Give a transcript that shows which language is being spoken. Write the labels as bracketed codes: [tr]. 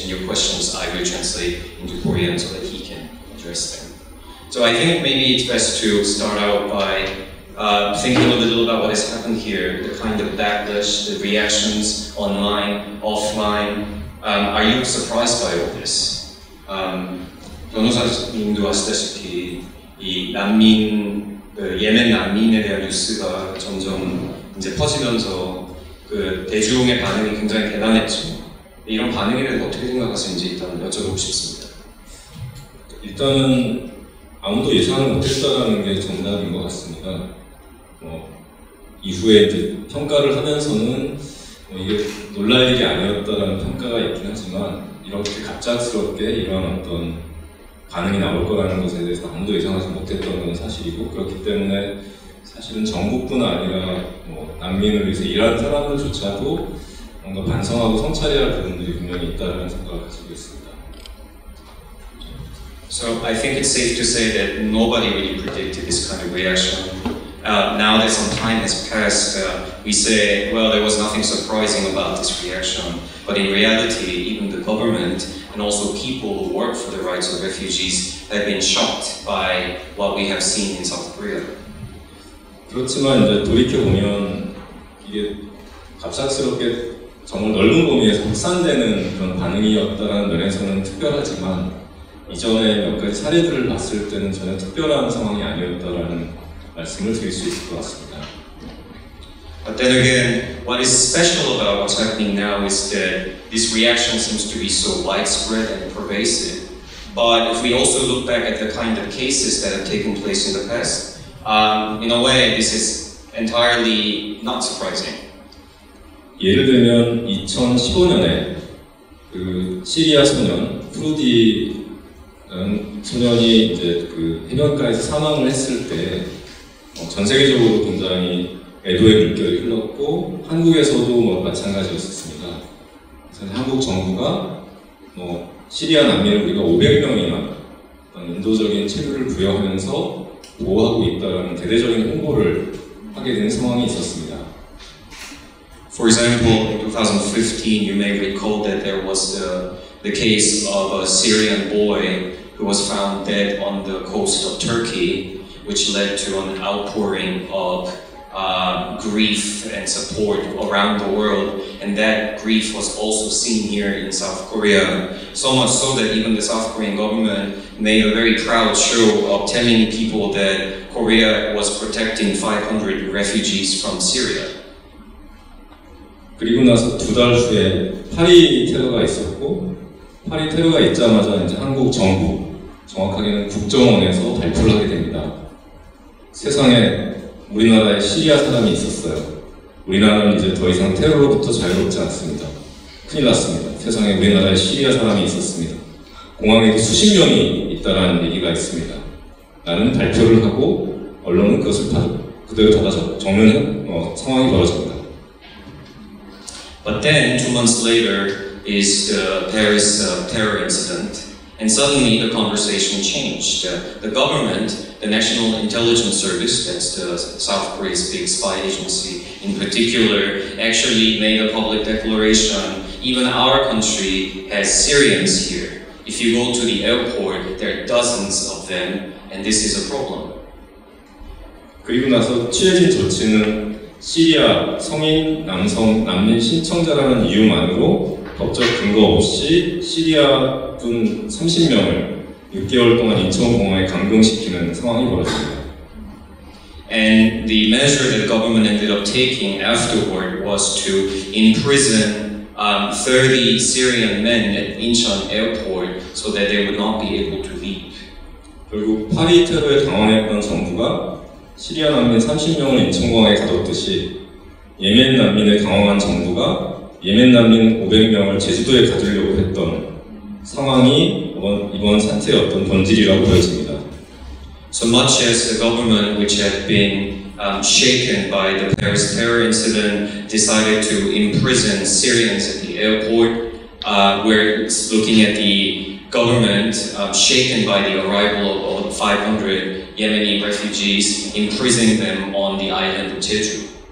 [en] And your questions I will translate into Korean so that he can address them. So I think maybe it's best to start out by thinking a little about what has happened here, the kind of backlash, the reactions online, offline. Are you surprised by all this? [ko] 변호사님도 아시다시피 이 난민 그 예멘 난민에 대한 뉴스가 점점 이제 퍼지면서 그 대중의 반응이 굉장히 대단했죠. 이런 반응에 대해서 어떻게 생각하시는지 일단 여쭤보고 싶습니다. 일단은 아무도 예상을 못했다는 게 정답인 것 같습니다. 이후에 이제 평가를 하면서는 뭐 이게 놀랄 일이 아니었다라는 평가가 있긴 하지만 이렇게 갑작스럽게 이런 어떤 반응이 나올 거라는 것에 대해서 아무도 예상하지 못했던 건 사실이고 그렇기 때문에 사실은 정부뿐 아니라 뭐 난민을 위해서 일하는 사람들조차도 뭔가 반성하고 성찰해야 할 부분들이 분명히 있다는 생각을 가지고 있습니다. [en] So I think it's safe to say that nobody really predicted this kind of reaction. Now that some time has passed, we say, well, there was nothing surprising about this reaction. But in reality, even the government and also people who work for the rights of refugees have been shocked by what we have seen in South Korea. [ko] 그렇지만 이제 돌이켜 보면 이게 갑작스럽게 정말 넓은 범위에서 확산되는 그런 반응이었다는 면에서는 특별하지만 이전에 몇 가지 사례들을 봤을 때는 전혀 특별한 상황이 아니었다라는 말씀을 드릴 수 있을 것 같습니다. [en] But then again, what is special about what's happening now is that this reaction seems to be so widespread and pervasive. But if we also look back at the kind of cases that have taken place in the past, in a way, this is entirely not surprising. [ko] 예를 들면 2015년에 그 시리아 소년 프루디라는 소년이 이제 그 해변가에서 사망을 했을 때 전 세계적으로 굉장히 애도의 물결이 흘렀고 한국에서도 뭐 마찬가지였습니다. 한국 정부가 뭐 시리아 난민을 우리가 500명이나 인도적인 체류를 부여하면서 보호하고 있다라는 대대적인 홍보를 하게 된 상황이 있었습니다. [en] For example, in 2015, you may recall that there was the case of a Syrian boy who was found dead on the coast of Turkey, which led to an outpouring of grief and support around the world. And that grief was also seen here in South Korea, so much so that even the South Korean government made a very proud show of telling people that Korea was protecting 500 refugees from Syria. [ko] 그리고 나서 두 달 후에 파리 테러가 있었고 파리 테러가 있자마자 이제 한국 정부, 정확하게는 국정원에서 발표를 하게 됩니다. 세상에 우리나라에 시리아 사람이 있었어요. 우리나라는 이제 더 이상 테러로부터 자유롭지 않습니다. 큰일 났습니다. 세상에 우리나라에 시리아 사람이 있었습니다. 공항에도 수십 명이 있다라는 얘기가 있습니다. 나는 발표를 하고 언론은 그것을 그대로 받아줬고 정면 상황이 벌어졌다. [en] But then, 2 months later, is the Paris terror incident, and suddenly the conversation changed. The government, the National Intelligence Service, that's the South Korea's big spy agency in particular, actually made a public declaration, even our country has Syrians here. If you go to the airport, there are dozens of them, and this is a problem. [ko] 그리고 나서 취해진 조치는 시리아 성인 남성 난민 신청자라는 이유만으로 법적 근거 없이 시리아 분 30명을 6개월 동안 인천 공항에 감금시키는 상황이 벌어졌습니다. [en] And the measure that the government ended up taking afterward was to imprison 30 Syrian men at Incheon Airport so that they would not be able to leave. [ko] 결국 파리 테러에 당황했던 정부가 시리아 난민 30명을 인천공항에 가뒀듯이 예멘 난민을 당황한 정부가 예멘 난민 500명을 제주도에 가두려고 했던 상황이 이번 사태의 어떤 본질이라고 보여집니다. [en] So much as the government, which had been shaken by the Paris terror incident, decided to imprison Syrians at the airport, we're looking at the government shaken by the arrival of 500 Yemeni refugees, imprisoning them on the island of Jeju.